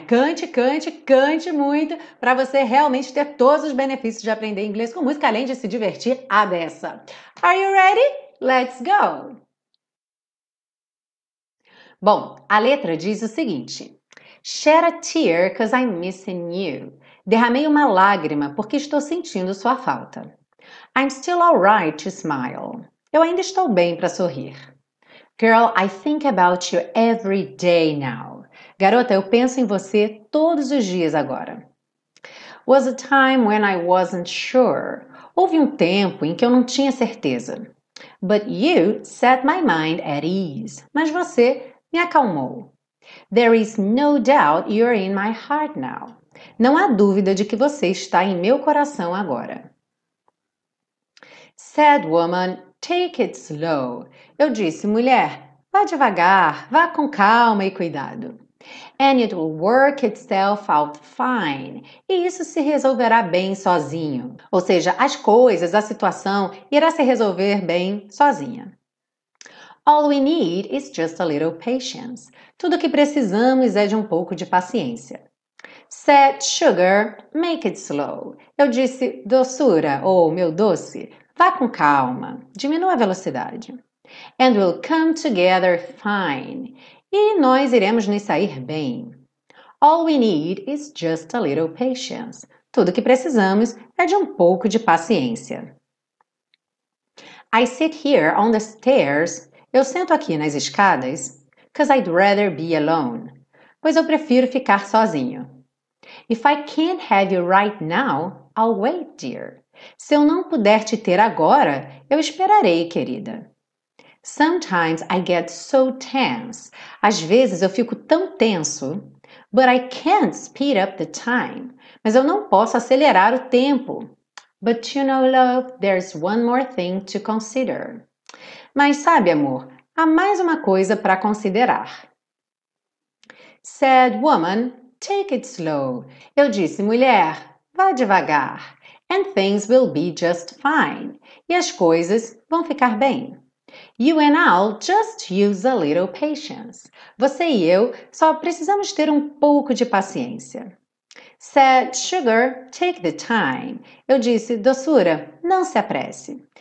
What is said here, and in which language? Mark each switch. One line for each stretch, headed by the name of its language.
Portuguese: Cante, cante, cante muito para você realmente ter todos os benefícios de aprender inglês com música, além de se divertir a dessa.
English: Are you ready? Let's go!
Portuguese: Bom, a letra diz o seguinte:
English: Shed a tear 'cause I'm missing you.
Portuguese: Derramei uma lágrima porque estou sentindo sua falta.
English: I'm still alright to smile.
Portuguese: Eu ainda estou bem para sorrir.
English: Girl, I think about you every day now.
Portuguese: Garota, eu penso em você todos os dias agora.
English: Was a time when I wasn't sure.
Portuguese: Houve um tempo em que eu não tinha certeza.
English: But you set my mind at ease.
Portuguese: Mas você me acalmou.
English: There is no doubt you're in my heart now.
Portuguese: Não há dúvida de que você está em meu coração agora.
English: Said woman, take it slow.
Portuguese: Eu disse, mulher, vá devagar, vá com calma e cuidado.
English: And it will work itself out fine.
Portuguese: E isso se resolverá bem sozinho. Ou seja, as coisas, a situação irá se resolver bem sozinha.
English: All we need is just a little patience.
Portuguese: Tudo que precisamos é de um pouco de paciência.
English: Said sugar, make it slow.
Portuguese: Eu disse, doçura, ou meu doce, vá com calma, diminua a velocidade.
English: And we'll come together fine.
Portuguese: E nós iremos nos sair bem.
English: All we need is just a little patience.
Portuguese: Tudo que precisamos é de um pouco de paciência.
English: I sit here on the stairs.
Portuguese: Eu sento aqui nas escadas.
English: 'Cause I'd rather be alone.
Portuguese: Pois eu prefiro ficar sozinho.
English: If I can't have you right now, I'll wait, dear.
Portuguese: Se eu não puder te ter agora, eu esperarei, querida.
English: Sometimes I get so tense.
Portuguese: Às vezes eu fico tão tenso.
English: But I can't speed up the time.
Portuguese: Mas eu não posso acelerar o tempo.
English: But you know, love, there's one more thing to consider.
Portuguese: Mas sabe, amor, há mais uma coisa para considerar.
English: Said woman, take it slow.
Portuguese: Eu disse, mulher, vá devagar.
English: And things will be just fine.
Portuguese: E as coisas vão ficar bem.
English: You and I'll just use a little patience.
Portuguese: Você e eu só precisamos ter um pouco de paciência.
English: Said sugar, take the time.
Portuguese: Eu disse, doçura, não se apresse.